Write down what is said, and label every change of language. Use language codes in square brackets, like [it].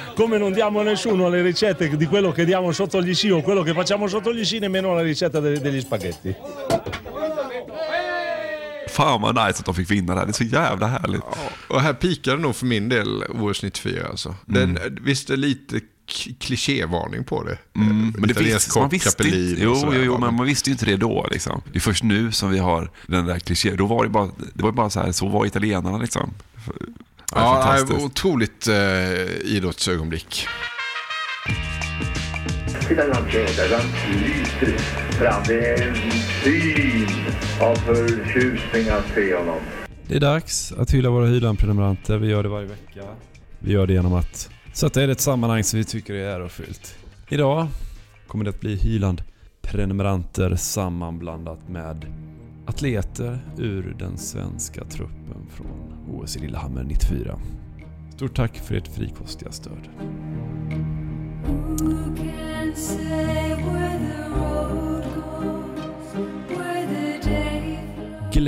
[it] Come non diamo nessuno le ricette di quello che diamo sotto gli sci o quello che facciamo sotto gli sci, nemmeno la ricetta degli spaghetti. [sv] Fan vad nice att de fick vinna det här. Det är så jävla härligt. Ja, och här pikar det nog för min del OS 94 alltså. Den, visst är det lite klischévarning på det. Men det visste, kock, man visste inte, jo, men man visste ju inte det då liksom. Det är först nu som vi har den där klisché. Då var det bara, så här, så var italienarna liksom. Ja, det är otroligt idrottsögonblick. Det är dags att hylla våra hyllan-prenumeranter. Vi gör det varje vecka. Vi gör det genom att sätta er ett sammanhang som vi tycker är ärofyllt. Idag kommer det att bli hyllan-prenumeranter sammanblandat med atleter ur den svenska truppen från OS i Lillehammer 94. Stort tack för ert frikostiga stöd. [en] Who can say where the road goes, where the day flows.